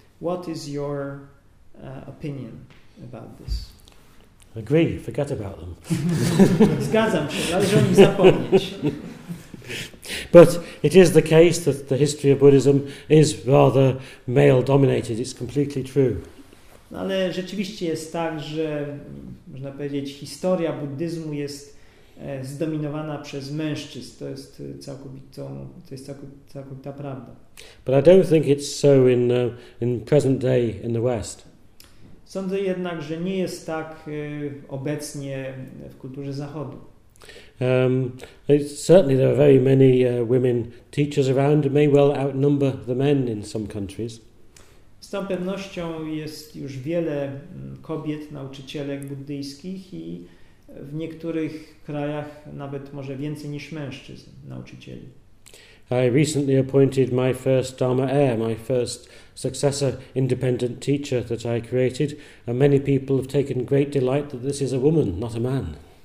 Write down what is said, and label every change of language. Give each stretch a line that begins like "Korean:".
English: What is your opinion about this? Agree, forget about them.
Polish: Zgadzam się, należy o nich zapomnieć.
English: But it is the case that the history of Buddhism is rather male-dominated. It's completely true.
Polish: No ale rzeczywiście jest tak, że można powiedzieć, historia buddyzmu jest zdominowana przez mężczyzn. To jest całkowitą, całkowita prawda.
English: But I don't think it's so in present day in the West.
Polish: Sądzę jednak, że nie jest tak obecnie w kulturze zachodu.
English: Certainly there are very many women teachers around, may well outnumber the men in some countries.
Polish: Z całą pewnością jest już wiele kobiet, nauczycielek buddyjskich i w niektórych krajach nawet może więcej niż mężczyzn, nauczycieli.
English: I recently appointed my first Dharma heir, my first successor independent teacher that I created, and many people have taken great delight that this is a woman, not a man.